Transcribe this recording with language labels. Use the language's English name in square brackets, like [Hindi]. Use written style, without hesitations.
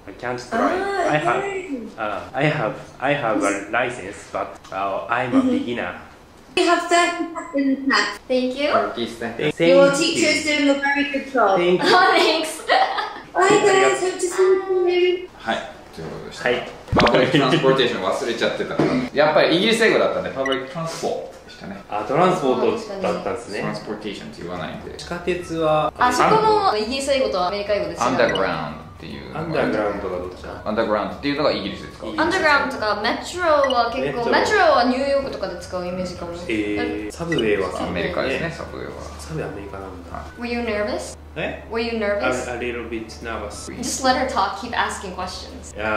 [English] I can't drive. I have a license, but I'm a beginner. You have 30 seconds left. Thank you. Thank you. Your teacher is doing a very good job. Thank you. Thanks. Bye guys, hope to see you soon. Hi. [Japanese] パブリックトランスポーテーション忘れちゃってたから、ね、やっぱりイギリス英語だったんでパブリックトランスポートでしたね。あ、トランスポートだったんですね。トランスポーテーションって言わないんで。地下鉄はあそこもイギリス英語とアメリカ英語ですよね。アンダーグラウンドっていう。アンダーグラウンドがどっちか。アンダーグラウンドっていうのがイギリスですか。アンダーグラウンドとかメトロは結構メトロはニューヨークとかで使うイメージかも。サブウェイはアメリカですね。サブウェイはサブウェイアメリカなんだ。 [English] Were you nervous? Eh? Were you nervous? A little bit nervous. Just let her talk, keep asking questions.